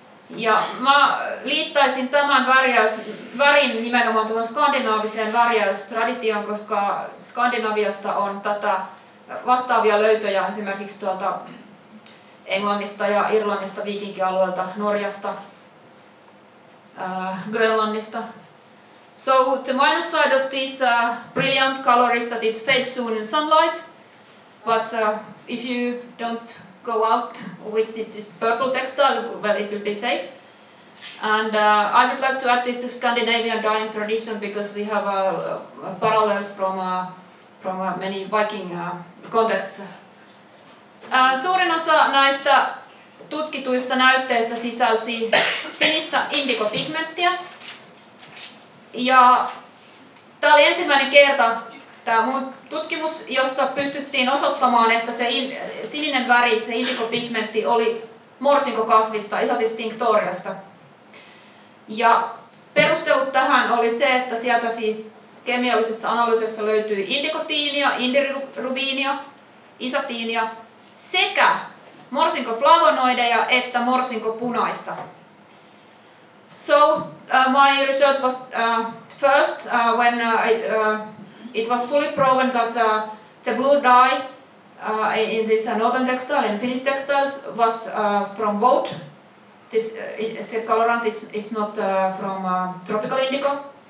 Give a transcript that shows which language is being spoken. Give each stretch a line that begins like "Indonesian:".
Finnish: Ja mä liittäisin tämän värin nimenomaan tuohon skandinaaviseen värjäystraditioon, koska Skandinaviasta on tätä vastaavia löytöjä esimerkiksi tuolta Englannista ja Irlannista, viikinkialueelta, Norjasta, Grönlannista.
English: So the minus side of this brilliant color is that it fades soon in sunlight, but if you don't go out with this purple textile, well, it will be safe. And I would like to add this to Scandinavian dyeing tradition because we have parallels from many Viking contexts.
Finnish: Suurin osa näistä tutkituista näytteistä sisälsi sinistä indigo-pigmenttiä. Ja tämä oli ensimmäinen kerta, tämä mun tutkimus, jossa pystyttiin osoittamaan, että se sininen väri, se indigo-pigmentti, oli morsinkokasvista, Isatis tinctoriasta. Ja perustelut tähän oli se, että sieltä siis kemiallisessa analyysissa löytyy indikotiinia, indirubiinia, isatiinia sekä morsinkoflavonoideja että morsinkopunaista.
English: So my research was first when it was fully proven that the blue dye in this northern textile and Finnish textiles was from wout. This the colorant is not from tropical indigo.